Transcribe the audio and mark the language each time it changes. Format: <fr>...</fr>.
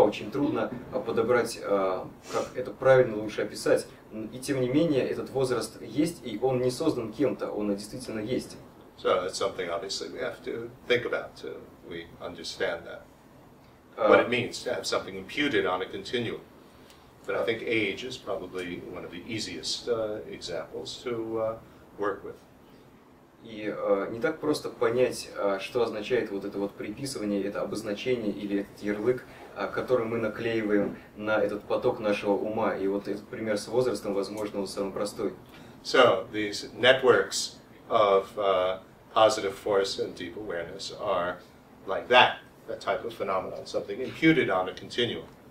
<ru>Очень трудно подобрать, как это правильно лучше описать. И тем не менее, этот возраст есть, и он не создан кем-то, он действительно есть.</ru> <en>So that's something obviously we have to think about, to we understand that. What it means to have something imputed on a continuum. But I think age is probably one of the easiest examples to work with.</en> <ru>И не так просто понять, что означает вот это вот приписывание, это обозначение или этот ярлык, который мы наклеиваем на этот поток нашего ума. И вот этот пример с возрастом, возможно, он самый простой.</ru> <en>So, these networks of positive force and deep awareness are like that, that type of phenomenon, something imputed on a continuum.</en>